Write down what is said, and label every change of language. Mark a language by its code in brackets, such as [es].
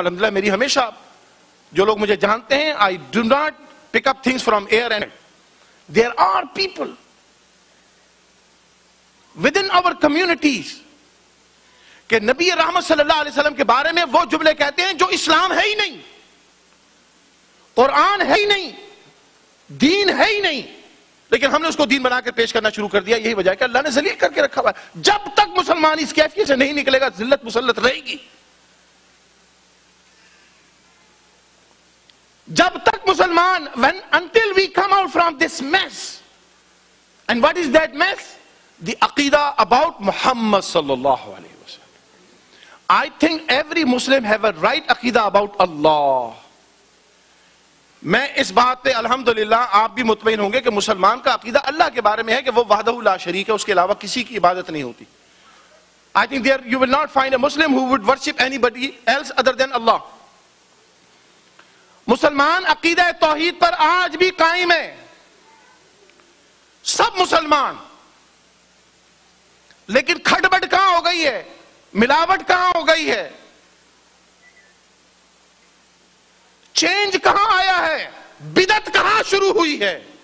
[ur] الحمدللہ میری ہمیشہ, جو لوگ مجھے جانتے ہیں, [en] I do not pick up things from air and there are people with in our communities [ur] کہ نبی رحمت صلی اللہ علیہ وسلم کے بارے میں وہ جملے کہتے ہیں جو اسلام ہے ہی نہیں, قرآن ہے ہی نہیں, دین ہے ہی نہیں, لیکن ہم نے اس کو دین بنا کر پیش کرنا شروع کر دیا. یہی وجہ ہے کہ اللہ نے ذلیل کر کے رکھا ہوا ہے. جب تک مسلمان اس کیفیت سے نہیں نکلے گا, ذلت مسلط رہے گی. جب تک مسلمان, [en] when until we come out from this mess, and what is that mess? The عقیدہ about محمد صلی اللہ علیہ وسلم. I think every Muslim have a right عقیدہ about Allah. [ur] میں اس بات پہ الحمدللہ آپ بھی مطمئن ہوں گے کہ مسلمان کا عقیدہ اللہ کے بارے میں ہے کہ وہ وحدہ لا شریک ہے, اس کے علاوہ کسی کی عبادت نہیں ہوتی. [en] I think there you will not find a Muslim who would worship anybody else other than Allah. [ur] مسلمان عقیدہ توحید پر آج بھی قائم ہے, سب مسلمان, لیکن کھٹ بٹ کہاں ہو گئی ہے, ملاوٹ کہاں ہو گئی ہے, چینج کہاں آیا ہے, بدعت کہاں شروع ہوئی ہے.